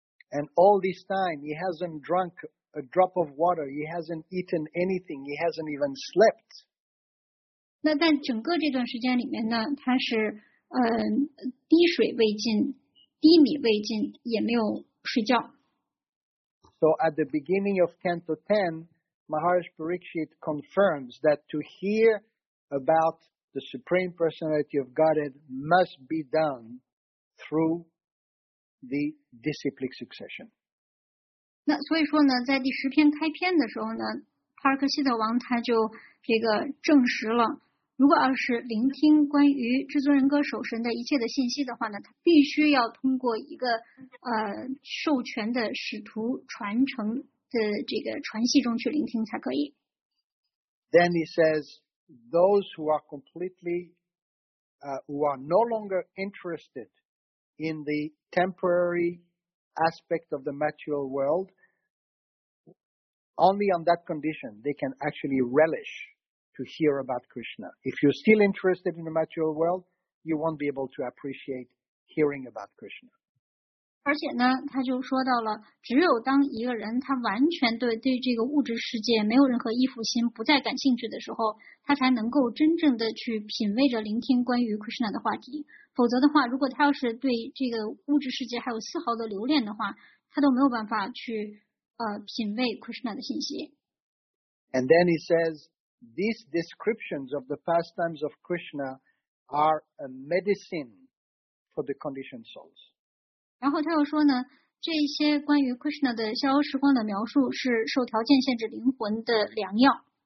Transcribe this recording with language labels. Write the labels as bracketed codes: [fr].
[en] And all this time, he hasn't drunk a drop of water. He hasn't eaten anything. He hasn't even slept. [zh] 那在整个这段时间里面呢，他是滴水未进，滴米未进，也没有睡觉。 [en] So at the beginning of Canto 10, Maharaj Parikshit confirms that to hear about the Supreme Personality of Godhead must be done through the disciplic succession. [zh] 那所以说呢，在第十篇开篇的时候呢，帕尔克西特王他就这个证实了。如果要是聆听关于至尊人格守神的一切的信息的话呢，他必须要通过一个授权的使徒传承的这个传系中去聆听才可以。 [en] Then he says, those who are completely, who are no longer interested in the temporary aspect of the material world, only on that condition they can actually relish. To hear about Krishna. If you're still interested in the material world, you won't be able to appreciate hearing about Krishna. [zh] 而且呢，他就说到了，只有当一个人他完全对这个物质世界没有任何依附心，不再感兴趣的时候，他才能够真正的去品味着聆听关于 Krishna 的话题。否则的话，如果他要是对这个物质世界还有丝毫的留恋的话，他都没有办法去品味 Krishna 的信息。 [en] And then he says, these descriptions of the pastimes of Krishna are a medicine for the conditioned souls. [zh] 然后他又说呢，这些关于 Krishna 的逍遥时光的描述是受条件限制灵魂的良药。